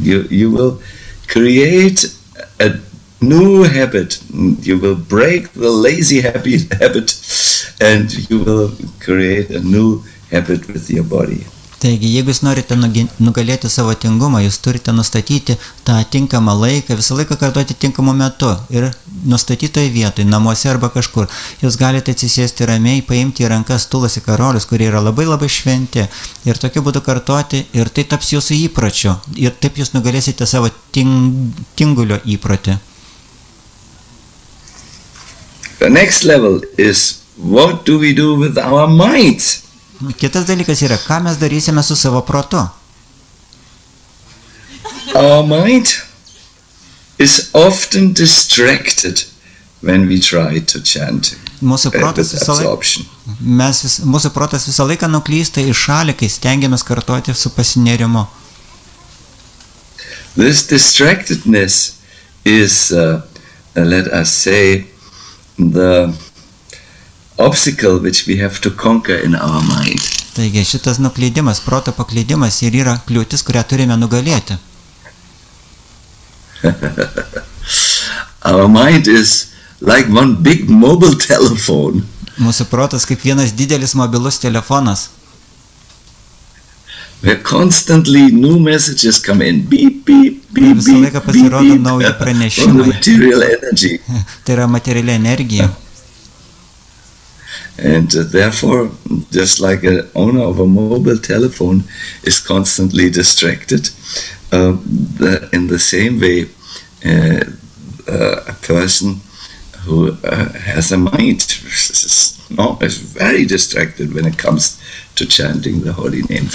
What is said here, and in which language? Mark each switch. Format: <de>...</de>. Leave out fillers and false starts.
<en>You will create a new habit. You will break the lazy habit, and you will create a new habit with your body.</en> <lt>Taigi, jeigu jūs norite nugalėti savo tingumą, jūs turite nustatyti tą tinkamą laiką, visą laiką kartuoti tinkamu metu ir nustatytoje vietoje, namuose arba kažkur. Jūs galite atsisėsti ramiai, paimti į rankas tulasi karolius, kurie yra labai labai šventi, ir tokiu būdu kartuoti, ir tai taps jūsų įpročiu, ir taip jūs nugalėsite savo tingulio įprotį.</lt> <en>The next level is, what do we do with our minds?</en> <lt>Kitas dalykas yra, ką mes darysime su savo protu.</lt> <en>Our mind is often distracted when we try to chant.</en> <lt>Mūsų protas visą laiką nuklysta į šalį, kai stengiamės kartuoti su pasinėrimu.</lt> <en>This distractedness is, let us say, the obstacle which we have to conquer in our mind.</en> <lt>Taigi, šitas nuklydimas, proto paklydimas ir yra kliūtis, kurią turime nugalėti.</lt> <en>Our mind is like one big mobile telephone.</en> <lt>Mūsų protas kaip vienas didelis mobilus telefonas.</lt> <en>Where constantly new messages come in. Beep, beep, beep, beep.</en> <lt>Visą laiką pasirodo nauji pranešimai.</lt> <en>Material energy.</en> <lt>Tai yra materialia energija.</lt> <en>And therefore, just like an owner of a mobile telephone is constantly distracted, in the same way, a person who has a mind is very distracted when it comes to chanting the holy name.</en>